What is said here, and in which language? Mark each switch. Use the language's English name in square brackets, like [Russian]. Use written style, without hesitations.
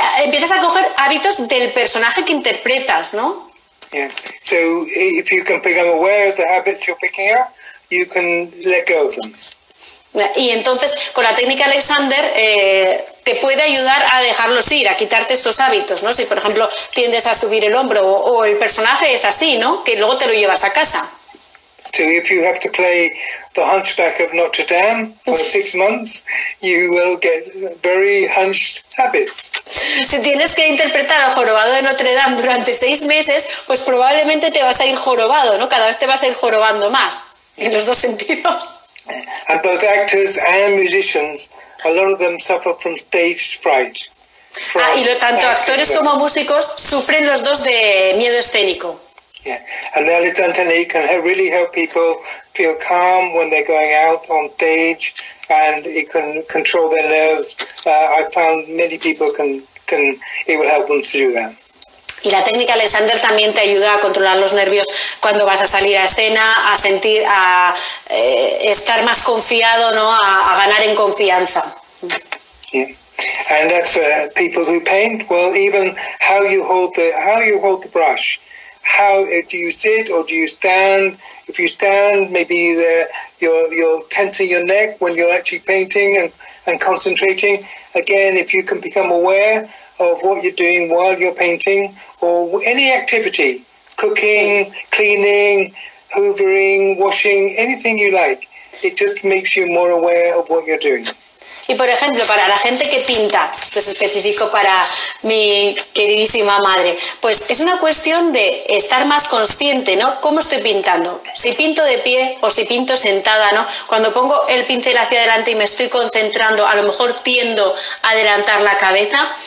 [Spanish] Empiezas a coger hábitos del personaje que interpretas, ¿no? [English] Yeah. So if you can become aware of the habits you're picking up, you can let go of them. [Spanish] Y entonces, con la técnica Alexander, te puede ayudar a dejarlos ir, a quitarte esos hábitos, ¿no? Si, por ejemplo, tiendes a subir el hombro o el personaje es así, ¿no? Que luego te lo llevas a casa. [English] So if you have to play the Hunchback of Notre Dame for 6 months, you will get very hunched habits. [Spanish] Si tienes que interpretar al jorobado de Notre Dame durante 6 meses, pues probablemente te vas a ir jorobado, ¿no? Cada vez te vas a ir jorobando más, en los dos sentidos. [English] And both actors and musicians, a lot of them suffer from stage fright. [Spanish] Y lo tanto actores como músicos sufren los dos de miedo escénico. [English] Yeah, and the Alexander technique can really help people feel calm when they're going out on stage, and it can control their nerves. I found many people can it will help them to do that. [Spanish] Y la técnica Alexander también te ayuda a controlar los nervios cuando vas a salir a escena, a sentir, a estar más confiado, ¿no? A ganar en confianza. [English] Yeah. And that's for people who paint. Well, even how you hold the brush, how do you sit or do you stand? If you stand, maybe you're tensing your neck when you're actually painting and concentrating. Again, if you can become aware of what you're doing while you're painting, or any activity, cooking, cleaning, hoovering, washing, anything you like, it just makes you more aware of what you're doing. [Spanish] Y por ejemplo, para la gente que pinta, pues específico para mi queridísima madre, pues es una cuestión de estar más consciente, ¿no? ¿Cómo estoy pintando? Si pinto de pie o si pinto sentada, ¿no? Cuando pongo el pincel hacia adelante y me estoy concentrando, a lo mejor tiendo a adelantar la cabeza.